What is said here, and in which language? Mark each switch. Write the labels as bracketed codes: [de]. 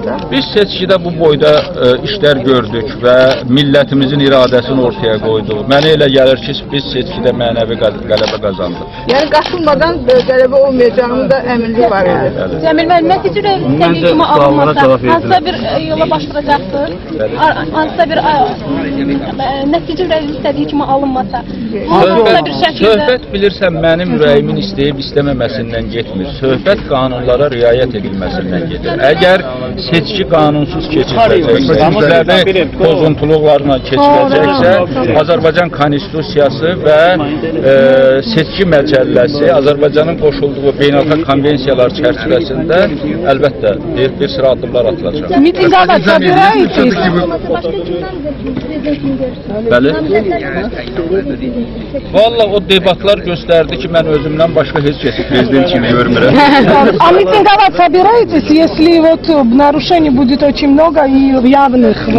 [az] Biz seçkide bu boyda işler gördük ve milletimizin iradesini ortaya koyduk. Mənə elə gəlir ki, biz seçkide mənəvi qələbə qazandıq. Yani qatılmadan qələbə olmayacağını da əminlik var idi. Cəmil Bey, mən sizə təqdim kimi alınmasa, hansısa bir yola başlayacaqsınız? Hansısa bir nəticə ürəyiniz istədiyi kimi alınmasa? Söhbət bilirsən, mənim ürəyimin istəyib istəməməsindən getmir. Söhbət qanunlara riayət edilməsindən gedir. Əgər seçki qanunsuz keçiriləcəksə, müzəvi pozuntuluqlarına keçiriləcəksə, Azərbaycan Konstitusiyası və seçki məcəlləsi Azərbaycanın qoşulduğu beynəlxalq konvensiyalar çərçivəsində əlbəttə bir sıra addımlar atılacaq. Mitingə də çağırırıq. Bəli. Valla o debatlar göstərdi ki, mən özümdən başqa heç kəsi prezident kimi görmürəm. [ru] А митинговать собираетесь, если вот нарушений будет очень много и явных?